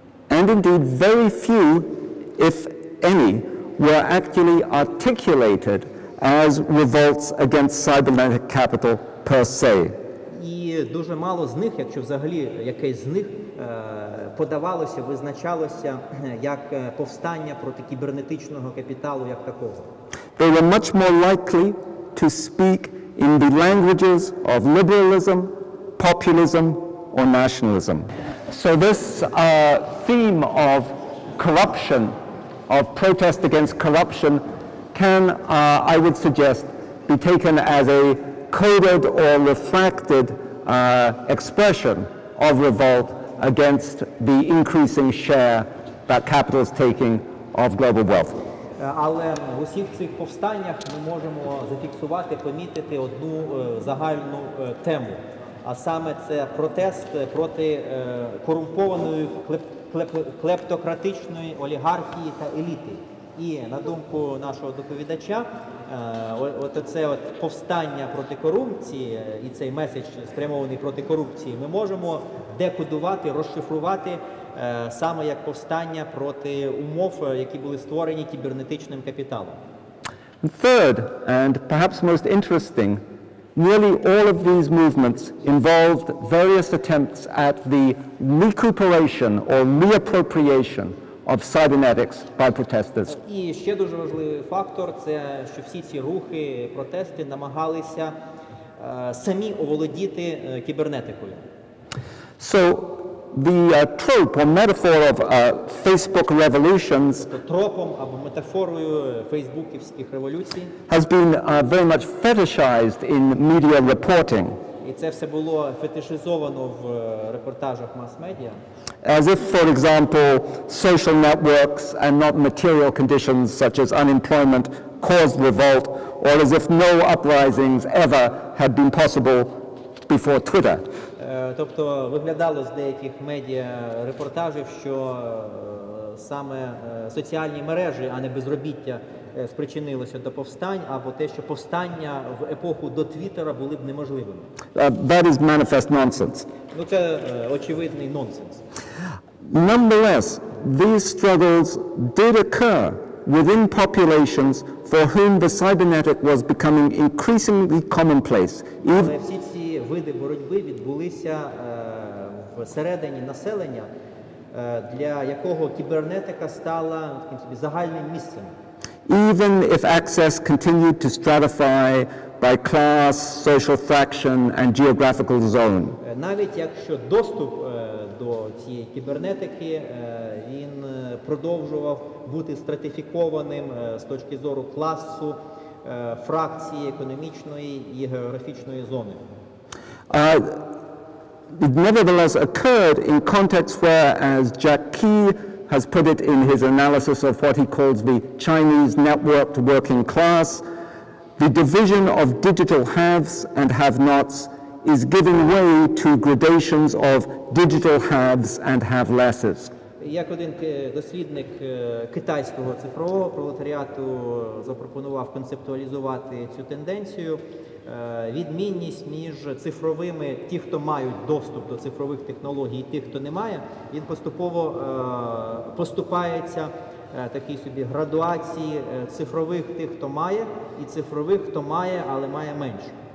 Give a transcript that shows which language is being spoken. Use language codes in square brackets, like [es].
[en] And indeed, very few, if any, were actually articulated as revolts against cybernetic capital per se. [uk] І дуже мало з них, якщо взагалі якесь з них подавалося, визначалося як повстання проти кібернетичного капіталу як такого. [en] They were much more likely to speak in the languages of liberalism, populism, or nationalism. So this theme of corruption, of protest against corruption, can, I would suggest, be taken as a coded or refracted expression of revolt against the increasing share that capital is taking of global wealth. [uk] Але в усіх цих повстаннях ми можемо зафіксувати, помітити одну загальну тему. А саме це протест проти корумпованої клептократичної олігархії та еліти. І на думку нашого доповідача, оце от повстання проти корупції і цей меседж спрямований проти корупції, ми можемо декодувати, розшифрувати саме як повстання проти умов, які були створені кібернетичним капіталом. [en] Third, and perhaps most interesting, nearly all of these movements involved various attempts at the recuperation or reappropriation of cybernetics by protesters. [uk] І ще дуже важливий фактор – це, що всі ці рухи, протести намагалися самі оволодіти кібернетикою. [en] So, the trope or metaphor of Facebook revolutions [uk] тропом або метафорою фейсбуківських революцій [en] has been very much fetishized in media reporting. [uk] І це все було фетишизовано в репортажах мас-медіа. [en] As if, for example, social networks and not material conditions such as unemployment caused revolt, or as if no uprisings ever had been possible before Twitter. [uk] Тобто виглядало з деяких медіа репортажів, що саме соціальні мережі, а не безробіття, спричинилося до повстань, або те, що повстання в епоху до Твіттера були б неможливими. [en] That is manifest nonsense. [uk] Ну це очевидний нонсенс. [en] Nonetheless, these struggles did occur within populations for whom the cybernetic was becoming increasingly commonplace. [uk] Але всі ці види боротьби відбулися всередині населення, для якого кібернетика стала таким собі загальним місцем. [en] Even if access continued to stratify by class, social faction, and geographical zone. [uk] Навіть якщо доступ до цієї кібернетики, він продовжував бути стратифікованим з точки зору класу, фракції, економічної і географічної зони. [en] It nevertheless occurred in contexts where, as Jack Key has put it in his analysis of what he calls the Chinese networked working class, the division of digital haves and have-nots is giving way to gradations of digital haves and have-lesses. [uk] Як один дослідник китайського цифрового пролетаріату запропонував концептуалізувати цю тенденцію, відмінність між цифровими, ті, хто мають доступ до цифрових технологій, і ті, хто не має, він поступово поступається такій собі градуації цифрових тих, хто має, і цифрових, хто має, але має менше.